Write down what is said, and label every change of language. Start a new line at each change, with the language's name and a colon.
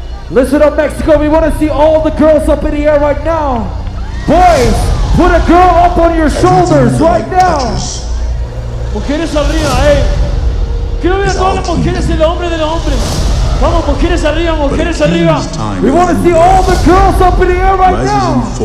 English: Listen up, Mexico, we want to see all the girls up in the air right now. Boys, put a girl up on your shoulders right now.
Spanish: Mujeres arriba, eh. Quiero ver a todas las mujeres y los hombres de los hombres. Vamos, mujeres arriba, mujeres arriba.
English: We want to see all the girls up in the air right now.